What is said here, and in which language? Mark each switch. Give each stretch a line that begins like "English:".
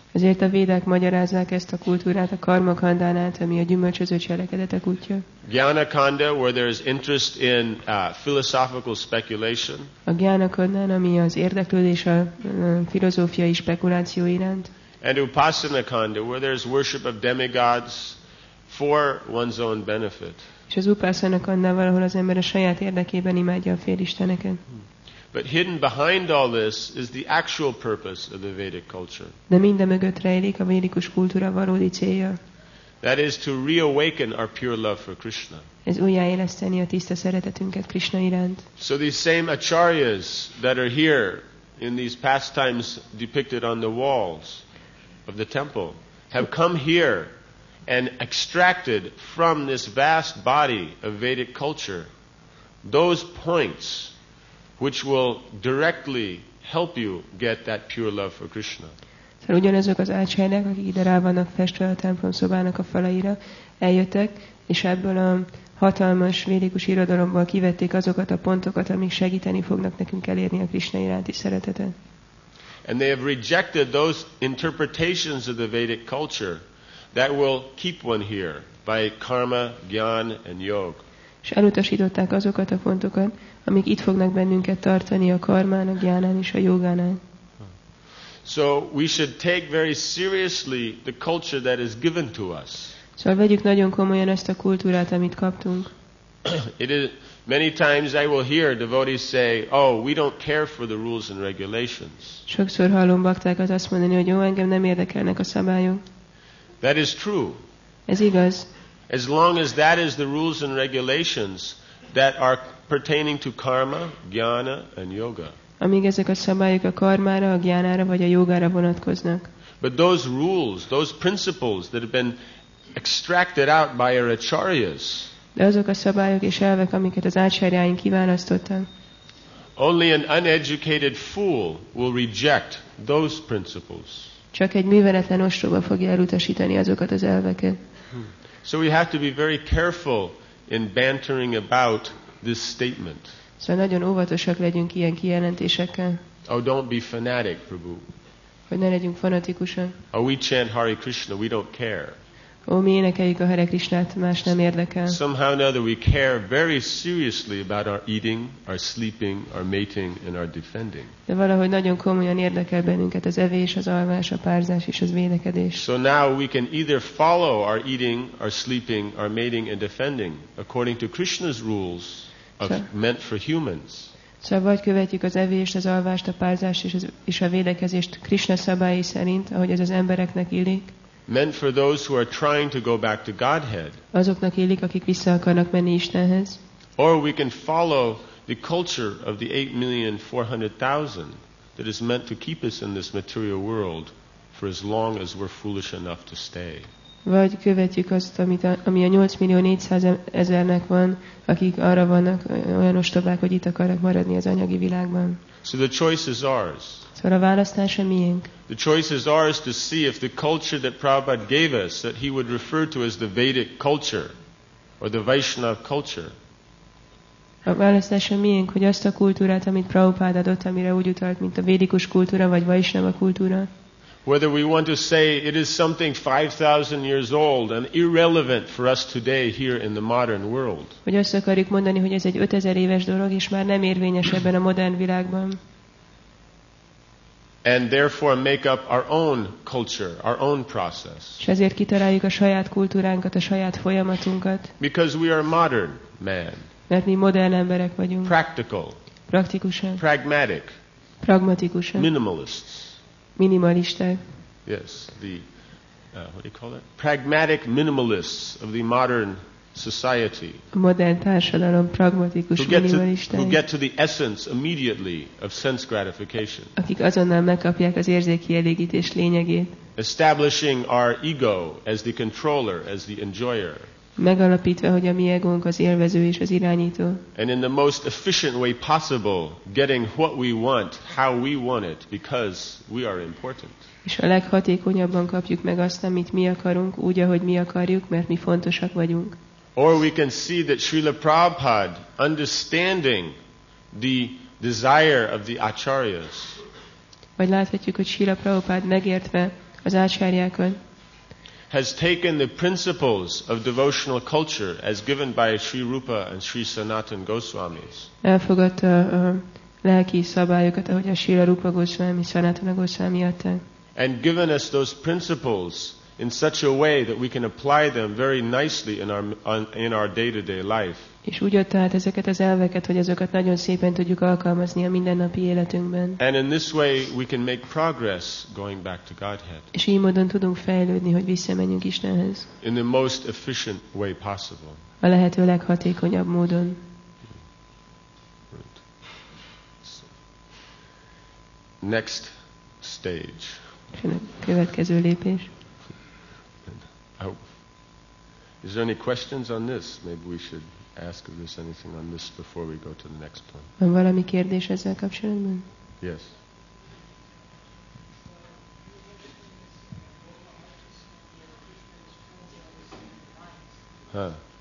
Hungarian: Ezért a védák magyarázzák ezt a kultúrát a karmakandán át, ami a gyümölcsöző cselekedetek útja.
English: Gyanakanda, where there is interest in philosophical speculation.
Hungarian: A gyanakandán, ami az érdeklődés a filozófiai spekuláció iránt.
English: And upasanakanda, where there is worship of demigods for one's own benefit.
Hungarian: És az upasanakandán, valahol az ember a saját érdekében imádja a félisteneket.
English: But hidden behind all this is the actual purpose of the Vedic culture.
Hungarian: De mindemögött rejlik a védikus kultúra valódi célja.
English: That is to reawaken our pure love for Krishna.
Hungarian: Ez újjáéleszteni a tiszta szeretetünket Krishna iránt.
English: So these same acharyas that are here in these pastimes depicted on the walls of the temple have come here and extracted from this vast body of Vedic culture those points which will directly help you get that pure love for Krishna.
Hungarian: Szóval ugyanazok az ácsárják, akik ide rá vannak festve a templom szobának a falaira, eljöttek, és ebből a hatalmas védikus irodalomból kivették azokat a pontokat, amik segíteni fognak nekünk elérni a Krishna iránti szeretetet.
English: And they have rejected those interpretations of the Vedic culture that will keep one here by karma, jnana, and yoga.
Hungarian: és elutasították azokat a pontokat, amik itt fognak bennünket tartani a karmán, a gyánán és a jogánán.
English: So we should take very seriously the culture that is given to us.
Hungarian: Szóval vegyük nagyon komolyan ezt a kultúrát, amit kaptunk.
English: It is, many times I will hear devotees say, "Oh, we don't care for the rules and regulations."
Hungarian: Sokszor hallom baktákat azt mondani, hogy engem nem érdekelnek a szabályok.
English: That is true.
Hungarian: Ez igaz.
English: As long as that is the rules and regulations that are pertaining to karma, jnana and yoga.
Hungarian: Amíg ezek a szabályok a karmára, a jnanára vagy a jogára vonatkoznak.
English: But those rules, those principles that have been extracted out by our acharyas.
Hungarian: De azok a szabályok és elvek, amiket az ácsárjáink kiválasztottak.
English: Only an uneducated fool will reject those principles.
Hungarian: Csak egy műveletlen ostoba fogja elutasítani azokat az elveket.
English: So we have to be very careful in bantering about this statement.
Hungarian: Szóval nagyon óvatosak legyünk ilyen kijelentésekkel.
English: Oh, don't be fanatic, Prabhu.
Hungarian: Hogy ne legyünk fanatikusak.
English: Oh, we chant Hare Krishna, we don't care.
Hungarian: Ó, mi énekeljük a Hare Krishnát, más nem érdekel.
English: Somehow or another we care very seriously about our eating, our sleeping, our mating and our defending.
Hungarian: De valahogy nagyon komolyan érdekel bennünket az evés, az alvás, a párzás és az védekedés.
English: So now we can either follow our eating, our sleeping, our mating and defending according to Krishna's rules of meant for humans.
Hungarian: Szóval vagy követjük az evést, az alvást, a párzást és a védekezést Krishna szabályai szerint, ahogy ez az embereknek illik.
English: Meant for those who are trying to go back to Godhead.
Hungarian: Azoknak illik, akik vissza akarnak menni Istenhez.
English: Or we can follow the culture of the 8,400,000 that is meant to keep us in this material world for as long as we're foolish enough to stay.
Hungarian: Vagy követjük azt, ami a 8,400,000-nek van, akik arra vannak olyan ostobák, hogy itt akarnak maradni az anyagi világban.
English: So the choice is ours.
Hungarian: Szóval a választás a miénk.
English: The choice is ours to see if the culture that Prabhupada gave us, that he would refer to as the Vedic culture, or the Vaishnav culture.
Hungarian: A választás a miénk, hogy azt a kultúrát, amit Prabhupada adott, amire úgy utalt, mint a védikus kultúra, vagy Vaishnava kultúra.
English: Whether we want to say it is something 5,000 years old and irrelevant for us today here in the modern world.
Hungarian: Vagy azt akarjuk mondani, hogy ez egy 5000 éves dolog, és már nem érvényes ebben a modern világban.
English: And therefore make up our own culture, our own process.
Hungarian: És ezért kitaláljuk a saját kultúránkat, a saját folyamatunkat.
English: Because we are modern man.
Hungarian: Mert mi modern emberek vagyunk.
English: Practical.
Hungarian: Praktikusan.
English: Pragmatic.
Hungarian: Pragmatikusan.
English: Minimalists.
Hungarian: Minimalisták.
English: Yes, the what do you call it? Pragmatic minimalists of the modern society.
Hungarian: A modern társadalom pragmatikus minimalisták.
English: Who get to the essence immediately of sense gratification.
Hungarian: Akik azonnal megkapják az érzéki elégítés lényegét.
English: Establishing our ego as the controller, as the enjoyer.
Hungarian: Megalapítva, hogy a mi egónk az élvező és az irányító.
English: And in the most efficient way possible, getting what we want, how we want it, because we are important.
Hungarian: És a leghatékonyabban kapjuk meg azt, amit mi akarunk, úgy, ahogy mi akarjuk, mert mi fontosak vagyunk.
English: Or we can see that Srila Prabhupada, understanding the desire of the acharyas.
Hungarian: Vagy láthatjuk, hogy Srila Prabhupada megértve az ácsárjákat,
English: has taken the principles of devotional culture as given by Sri Rupa and Sri Sanatan Goswamis.
Hungarian: Elfogadta a lelki szabályokat, ahogy a Srila Rupa Goswami, Sanatana Goswami adta.
English: And given us those principles in such a way that we can apply them very nicely in our day-to-day life.
Hungarian: És úgy adta át ezeket az elveket, hogy azokat nagyon szépen tudjuk alkalmazni a mindennapi életünkben.
English: And in this way we can make progress going back to Godhead.
Hungarian: És így módon tudunk fejlődni, hogy visszamenjünk Istenhez.
English: In the most efficient way possible.
Hungarian: A lehető leghatékonyabb módon.
English: Right. So. Next stage.
Hungarian: Következő lépés.
English: Is there any questions on this? Maybe we should ask if there's anything on this before we go to the next one.
Hungarian: Van valami kérdés ezzel kapcsolatban?
English: Yes. Huh.